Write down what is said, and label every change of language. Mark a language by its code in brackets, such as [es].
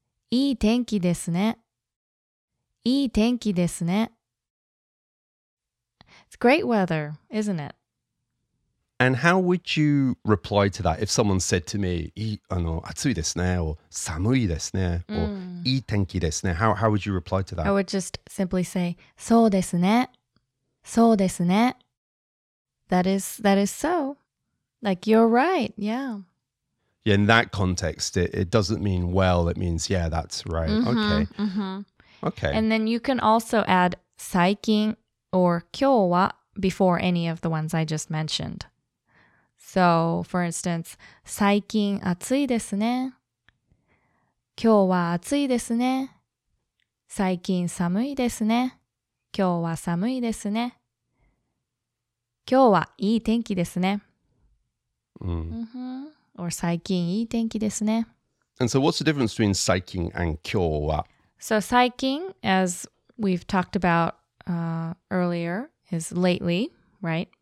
[ja] いい天気ですね。いい天気ですね。 [en] It's great weather, isn't it? And how would you reply to that if someone said to me, [ja] "Atsui desu ne," [en] or [ja] "Samui desu ne," [en] or [ja] "Ii tenki desu ne"? [en] How would you reply to that? I would just simply say, [ja] "So desu ne, so desu ne." [en] That is so. Like, you're right, yeah. Yeah, in that context, it doesn't mean well. It means, yeah, that's right. Mm-hmm, okay. Mm-hmm. Okay. And then you can also add 最近 or 今日は before any of the ones I just mentioned. So, for instance, [ja] 最近暑いですね。今日は暑いですね。最近寒いですね。今日は寒いですね。今日はいい天気ですね。 Mm-hmm. [en] Or [ja] 最近いい天気ですね. [en] And so what's the difference between 最近 and 今日は? So 最近, as we've talked about earlier, is lately, right?